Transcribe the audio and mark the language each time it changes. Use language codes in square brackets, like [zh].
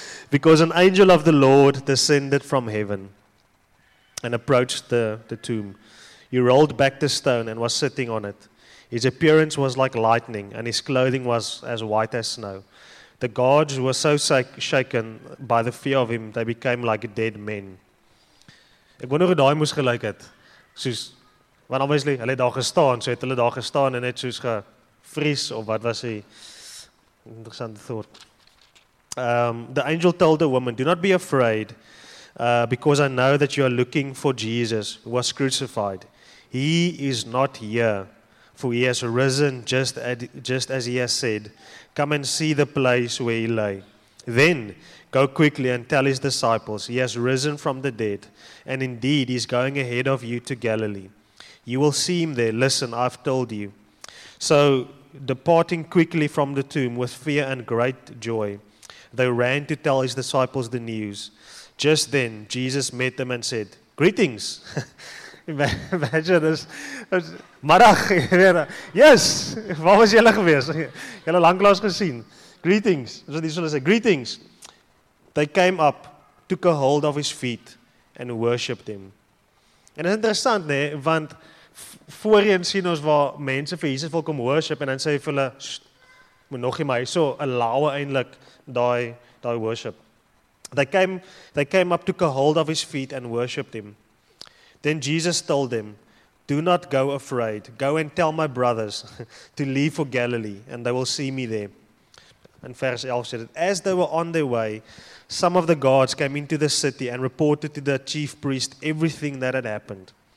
[en] Because an angel of the Lord descended from heaven and approached the tomb. He rolled back the stone and was sitting on it. His appearance was like lightning, and his clothing was as white as snow. The guards were so shaken by the fear of him, they became like dead men. [af] Ek wonder hoe daai moes gelyk het. Soos, want obviously, hulle het daar gestaan, so het hulle daar gestaan en het soos gefries, of wat was die interessante thought. [en] The angel told the woman, do not be afraid, because I know that you are looking for Jesus who was crucified. He is not here, for he has risen just as he has said. Come and see the place where he lay. Then go quickly and tell his disciples, he has risen from the dead, and indeed he is going ahead of you to Galilee. You will see him there. Listen, I've told you. So departing quickly from the tomb with fear and great joy, they ran to tell his disciples the news. Just then, Jesus met them and said, greetings. [af] Imagine is middag, yes, waar was julle gewees? Julle lanklaas gesien. Greetings. Ons het hier so gesê, greetings. [en] They came up, took a hold of his feet and worshiped him. [af] En dit is interessant, nee, want voorheen sien ons waar mense vir Jesus wil kom worship en dan sê hy vir hulle moet nog nie maar so 'n lawe eintlik daai worship. [en] They came up, took a hold of his feet and worshiped him. Then Jesus told them, do not go afraid. Go and tell my brothers to leave for Galilee and they will see me there. And verse 11 said that as they were on their way, some of the guards came into the city and reported to the chief priest everything that had happened.